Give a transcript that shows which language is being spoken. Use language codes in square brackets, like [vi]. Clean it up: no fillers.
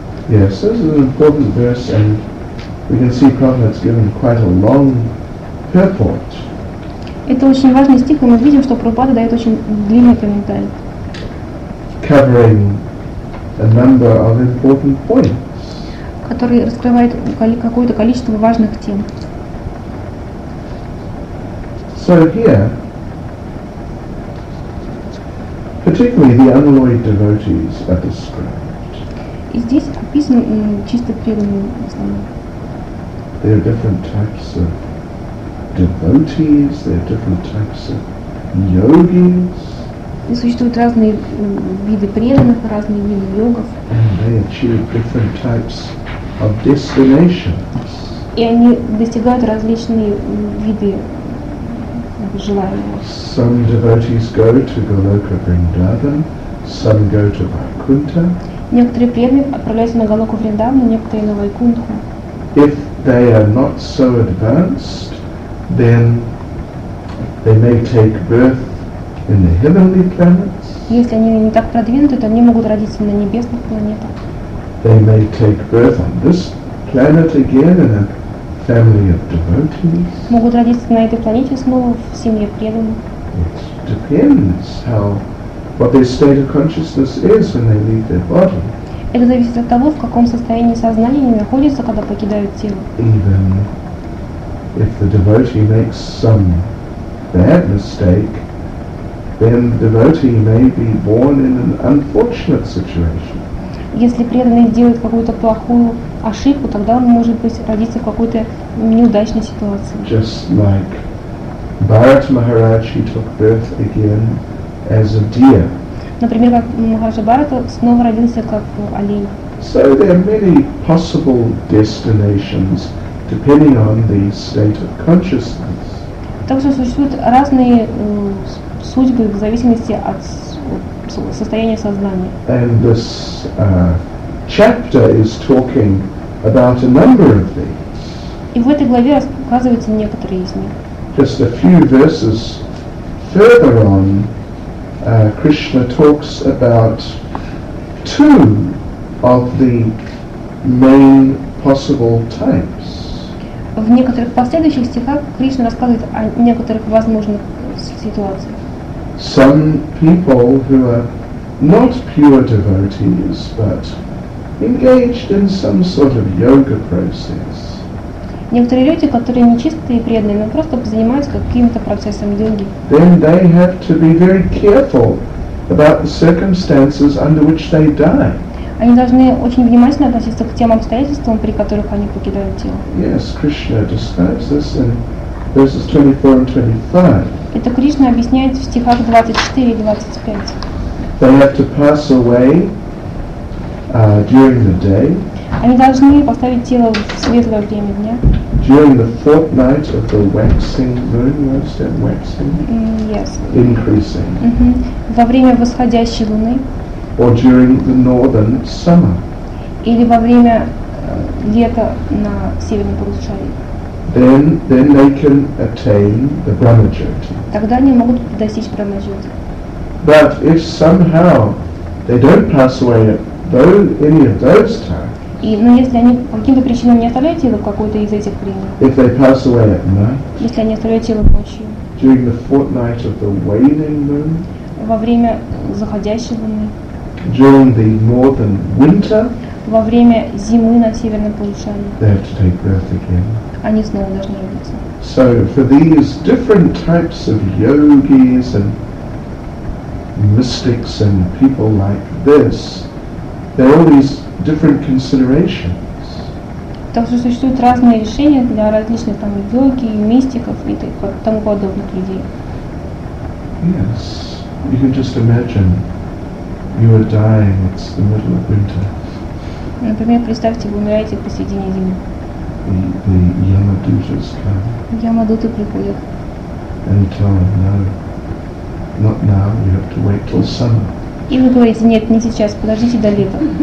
[en] Yes, this is an important verse, and we can see Prabhupada's given quite a long purport. [ru] Это очень важный стих, и мы видим, что Прабхупада дает очень длинный комментарий. [en] Covering a number of important points. [ru] Который раскрывает какое-то количество важных тем. [en] So here, particularly the unalloyed devotees are described. [ru] И здесь описаны чисто преданные в основном. [en] There are different types of devotees, there are different types of yogis. [ru] И существуют разные виды преданных, разные виды йогов. [en] And they achieve different types of destinations. [ru] И они достигают различные виды желаний. [en] Some devotees go to Goloka Vrindavan, some go to Vaikuntha. [ru] Некоторые преданные отправляются на Голоку Вриндавану, некоторые на Вайкунтху. [en] If they are not so advanced, then they may take birth in the heavenly planets. [ru] Если они не так продвинуты, то они могут родиться на небесных планетах. [en] They may take birth on this planet again in a family of devotees. [ru] Могут родиться на этой планете снова в семье преданных. [en] It depends how what their state of consciousness is when they leave their body. [ru] Это зависит от того, в каком состоянии сознания они находятся, когда покидают тело. [en] Even if the devotee makes some bad mistake, then the devotee may be born in an unfortunate situation. [ru] Если преданный делает какую-то плохую ошибку, тогда он может быть родиться в какой-то неудачной ситуации. [en] Just like Bharat Maharaj, he took birth again as a deer. [ru] Например, как Махараджа Бхарата снова родился как олень. [en] So there are many possible destinations depending on the state of consciousness. [ru] Также существуют разные судьбы в зависимости от состояния сознания. [en] And this chapter is talking about a number of these. [ru] И в этой главе рассказываются некоторые из них. [en] Just a few verses further on, Krishna talks about two of the main possible types. [ru] В некоторых последующих стихах Кришна рассказывает о некоторых возможных ситуациях. [en] Some people who are not pure devotees, but engaged in some sort of yoga process. [ru] Некоторые люди, которые не чистые и преданные, но просто занимаются каким-то процессом йоги. [en] Then they have to be very careful about the circumstances under which they die. [ru] Они должны очень внимательно относиться к тем обстоятельствам, при которых они покидают тело. [en] Yes, Krishna describes this in verses 24 and 25. [ru] Это Кришна объясняет в стихах 24 и 25. [en] They have to pass away during the day. [ru] Они должны поставить тело в светлое время дня. [en] During the fortnight of the waxing moon, was that waxing? Yes. Increasing. [ru] Во время восходящей луны. [en] Or during the northern summer. [ru] Или во время лета на северном полушарии. [en] Then they can attain the Brahmajyoti. [ru] Тогда они могут достичь Брахмаджоти. [en] But if somehow they don't pass away at any of those times. [ru] И, но если они по каким-то причинам не оставляют тело в какой-то из этих времени, [en] if they pass away at night, [ru] если они оставляют тело ночью, [en] during the fortnight of the waning moon, [ru] во время заходящей луны, [en] during the northern winter, [ru] во время зимы на северном полушарии, [en] they have to take breath again. [ru] Они снова должны родиться. [en] So for these different types of yogis and mystics and people like this, there are all these different considerations. [ru] Так что существуют разные решения для различных там йоги, мистиков и тому подобных людей. [en] Yes, you can just imagine you are dying. It's the middle of winter. [ru] Например, представьте, вы умираете посередине зимы. [en] The Yamadutas come. [ru] Ямадуты приходят. [en] And tell them, no, not now. You have to wait till summer. [ru] И вы говорите, нет, не сейчас, подождите до лета.